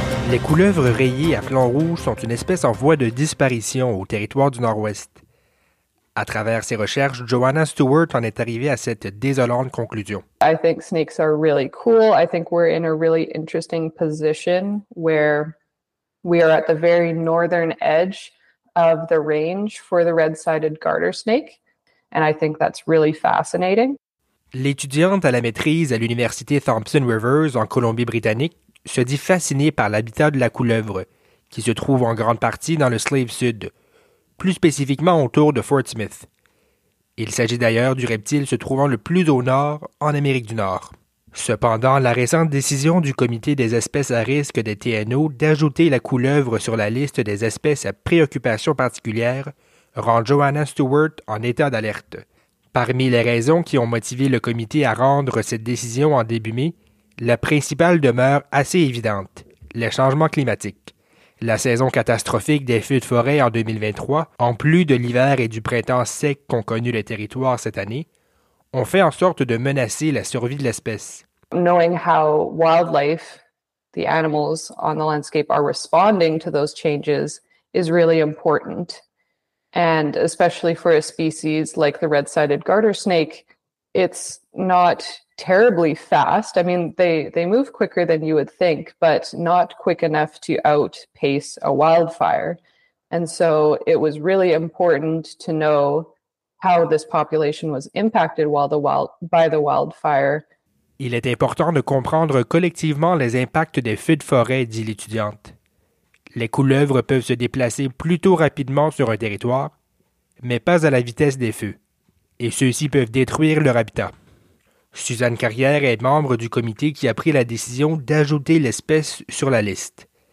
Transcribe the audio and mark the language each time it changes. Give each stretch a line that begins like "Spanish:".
French: Les couleuvres rayées à flanc rouge sont une espèce en voie de disparition au territoire du Nord-Ouest. À travers ses recherches, Joanna Stewart en est arrivée à cette désolante conclusion.
English: I think snakes are really cool. I think we're in a really interesting position where we are at the very northern edge of the range for the red-sided garter snake, and I think that's really fascinating.
French: L'étudiante à la maîtrise à l'université Thompson Rivers en Colombie-Britannique se dit fascinée par l'habitat de la couleuvre, qui se trouve en grande partie dans le Slave Sud, plus spécifiquement autour de Fort Smith. Il s'agit d'ailleurs du reptile se trouvant le plus au nord en Amérique du Nord. Cependant, la récente décision du Comité des espèces à risque des TNO d'ajouter la couleuvre sur la liste des espèces à préoccupation particulière rend Joanna Stewart en état d'alerte. Parmi les raisons qui ont motivé le comité à rendre cette décision en début mai, la principale demeure assez évidente, les changements climatiques. La saison catastrophique des feux de forêt en 2023, en plus de l'hiver et du printemps sec qu'ont connu les territoires cette année, ont fait en sorte de menacer la survie de l'espèce.
English: Knowing how wildlife, the animals on the landscape are responding to those changes is really important. And especially for a species like the red-sided garter snake, it's not terribly fast. I mean, they move quicker than you would think, but not quick enough to outpace a wildfire. And so it was really important to know how this population was impacted by the wildfire.
French: Il est important de comprendre collectivement les impacts des feux de forêt, dit l'étudiante. Les couleuvres peuvent se déplacer plutôt rapidement sur un territoire, mais pas à la vitesse des feux, et ceux-ci peuvent détruire leur habitat. Suzanne Carrière est membre du comité qui a pris la décision d'ajouter l'espèce sur la liste.